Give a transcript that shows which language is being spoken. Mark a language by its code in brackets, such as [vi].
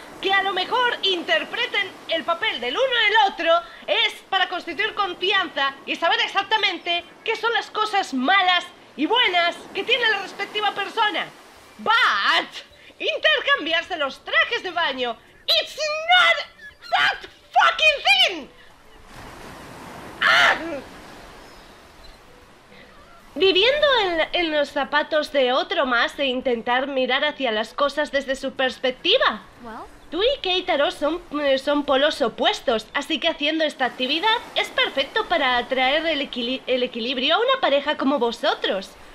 [es] Que a lo mejor interpreten el papel del uno al otro es para constituir confianza y saber exactamente qué son las cosas malas y buenas que tiene la respectiva persona. [en] But... [es] intercambiarse los trajes de baño. [en] It's not that fucking thing. [es] Viviendo en los zapatos de otro más e intentar mirar hacia las cosas desde su perspectiva. [en] Well. [es] Tú y Keitaro son polos opuestos, así que haciendo esta actividad es perfecto para atraer el equilibrio a una pareja como vosotros.